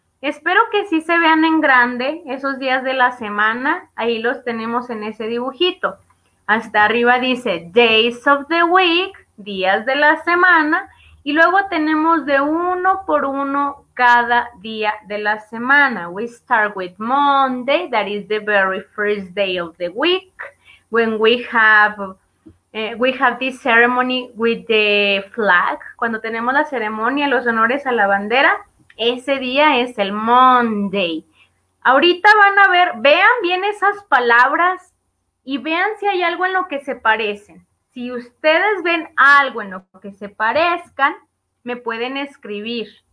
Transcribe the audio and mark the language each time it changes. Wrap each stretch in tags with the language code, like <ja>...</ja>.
<es>Espero que sí se vean en grande esos días de la semana. Ahí los tenemos en ese dibujito. Hasta arriba dice</es> <en>Days of the Week,</en> <es>días de la semana. Y luego tenemos de uno por uno cada día de la semana.</es> <en>We start with Monday, that is the very first day of the week, when we have this ceremony with the flag.</en> <es>Cuando tenemos la ceremonia, los honores a la bandera. Ese día es el Monday. Ahorita van a ver, vean bien esas palabras y vean si hay algo en lo que se parecen. Si ustedes ven algo en lo que se parezcan, me pueden escribir.</es>